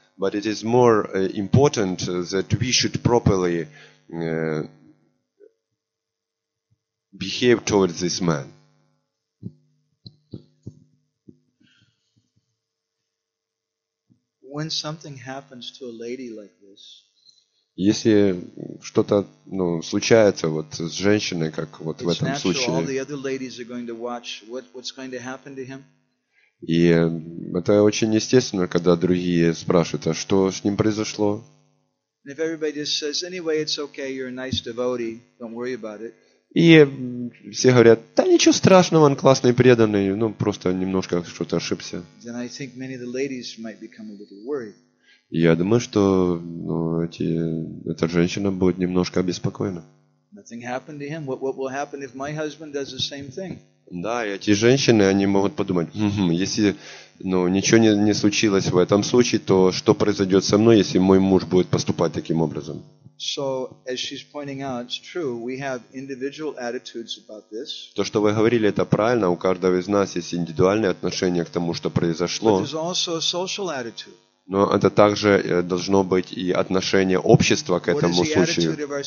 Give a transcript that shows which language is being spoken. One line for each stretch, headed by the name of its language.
English: But it is more important that we should properly behave towards this man. When something happens to a lady like this,
Russian: если что-то случается вот с женщиной, как вот в этом случае,
English: all the other ladies are going to watch what's going to happen to him.
Russian: И это очень естественно, когда другие спрашивают, а что с ним произошло? И все говорят, да ничего страшного, он классный преданный, просто немножко что-то ошибся. Я думаю, что эта женщина будет немножко обеспокоена.
English: Nothing happened to him. What will happen if my husband does the same thing?
Russian: Да, и эти женщины, они могут подумать, если ничего не случилось в этом случае, то что произойдет со мной, если мой муж будет поступать таким образом?
English: So, as she's pointing out, it's true, we have individual attitudes about this.
Russian: То, что вы говорили, это правильно, у каждого из нас есть индивидуальное отношение к тому, что произошло.
English: But there's also a social attitude.
Russian: Но это также должно быть и отношение общества к этому случаю.